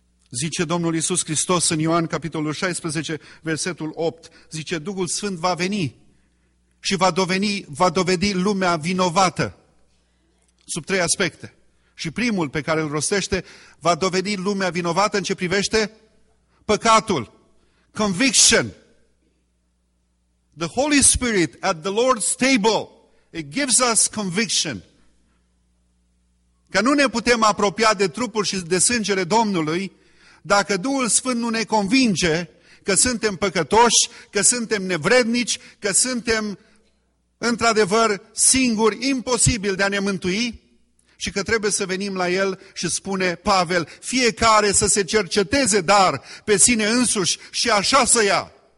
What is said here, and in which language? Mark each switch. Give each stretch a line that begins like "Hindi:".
Romanian: Zice Domnul Iisus Hristos în Ioan capitolul 16, versetul 8, zice, Duhul Sfânt va veni și va dovedi lumea vinovată sub trei aspecte. Și primul pe care îl rostește va dovedi lumea vinovată în ce privește păcatul.
English: Conviction. The Holy Spirit at the Lord's table, it gives us conviction.
Romanian: Că nu ne putem apropia de trupul și de sângele Domnului dacă Duhul Sfânt nu ne convinge că suntem păcătoși, că suntem nevrednici, că suntem într-adevăr singuri, imposibil de a ne mântui și că trebuie să venim la El și spune Pavel, fiecare să se cerceteze dar pe sine însuși și așa să ia.